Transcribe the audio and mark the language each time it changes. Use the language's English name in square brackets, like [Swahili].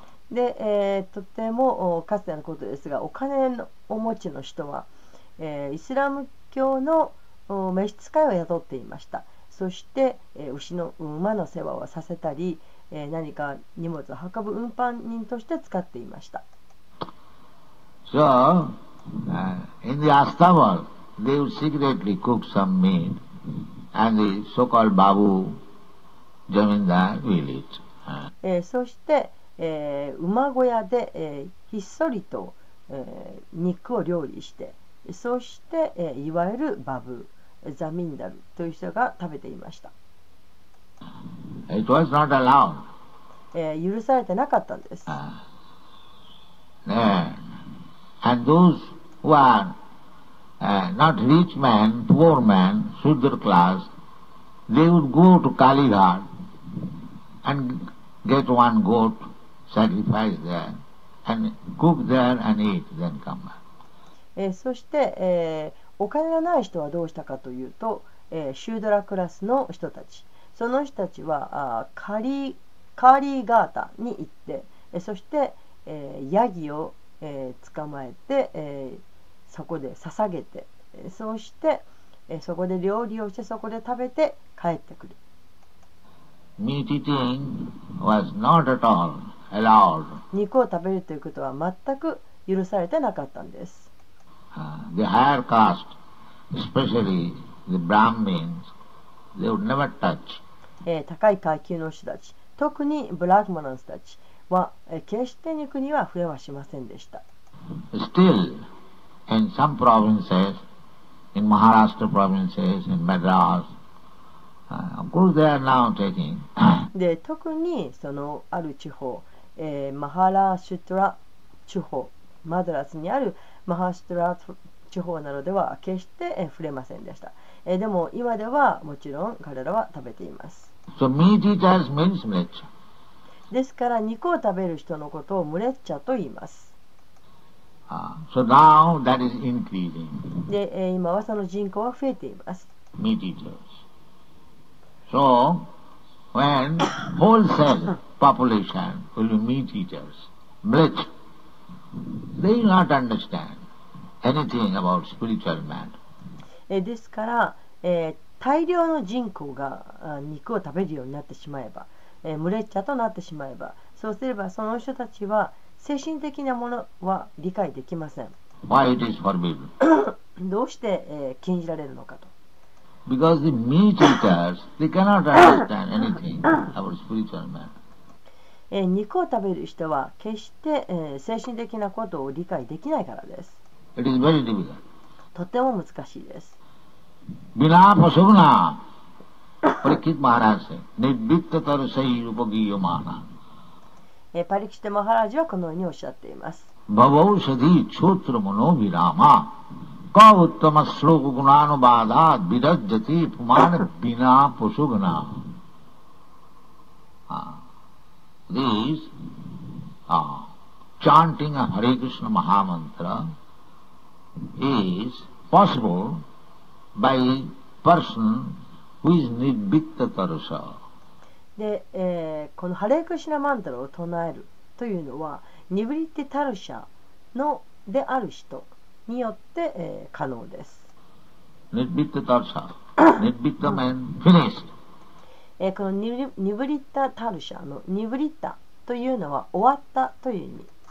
[Japanese] で、とてもかつてのことですが、お金のお持ちの人は、イスラム教の召使いを雇っていました。そして、牛の馬の世話をさせたり、何か荷物を運ぶ運搬人として使っていました。 [English] So, in the Astavar,They would secretly cook some meat, and the so-called babu, Jamindar, will eat. [Japanese] そして、馬小屋で、ひっそりと、肉を料理して、そして、いわゆるバブ、ジャミンダルという人が食べていました。 [English] It was not allowed. [Japanese] 許されてなかったんです。 [English] And those who areNot rich man, poor man, Shudra class, they would go to Kali Ghat and get one goat, sacrifice there, and cook there and eat, then come back. [Japanese] そして、お金がない人はどうしたかというと、シュードラクラスの人たち、その人たちはカリガータに行って、そして、ヤギを、捕まえて、そこで捧げて、そしてそこで料理をしてそこで食べて帰ってくる。 [English] Meat eating was not at all allowed. [Japanese] 肉を食べるということは全く許されてなかったんです。 [English] The higher caste, especially the Brahmins, they would never touch. [Japanese] 高い階級の人たち、特にブラグマナンスたちは決して肉には触れはしませんでした。 [English] Still. In some provinces, in Maharashtra provinces, in Madras, of course they are now taking. [Japanese] で、特にそのある地方、マハラシュトラ地方、マドラスにあるマハシュトラ地方などでは決して触れませんでした。でも今ではもちろん彼らは食べています。 [English] So meat eaters means mlecha. [Japanese] ですから肉を食べる人のことをムレッチャと言います。 [English] So now that is increasing. [Japanese] で、今はその人口は増えています。 [English] Meat eaters. So, when wholesale population will be meat eaters, mlech, they will not understand anything about spiritual matter. [Japanese] ですから、大量の人口が肉を食べるようになってしまえば、ムレッチャとなってしまえば、そうすればその人たちは精神的なものは理解できません。 [English] Why it is forbidden? [Japanese] どうして、禁じられるのかと。 [English] Because the meat eaters, they cannot understand anything about spiritual matter. [Japanese] 肉を食べる人は決して、精神的なことを理解できないからです。 [English] It is very difficult. [Japanese] とても難しいです。 [Sanskrit] ビナーパソグナー、プリキッマハラーセ、ネビッタタルセイユポギヨマーナー。 [Japanese] パリキシテ・マハラジはこのようにおっしゃっています。 [Sanskrit] ババウシャディ・チョトラモノ・ビラマ、カウッタマスロー・グナーノ・バーダー・ビダッジャティ・プマネ・ビナー・ポシュグナー。 [English] These, chanting of Hare Krishna Mahamantra is possible by a person who is Nibbitta Tarasa. [Japanese] で、このハレクシナマントラを唱えるというのはニブリッティタルシャのである人によって、可能です。 [Sanskrit] ニッビッタタルシャニッビッタメンフィニッシ [Japanese] ュ、このニブリッタタルシャのニブリッタというのは終わったという意味。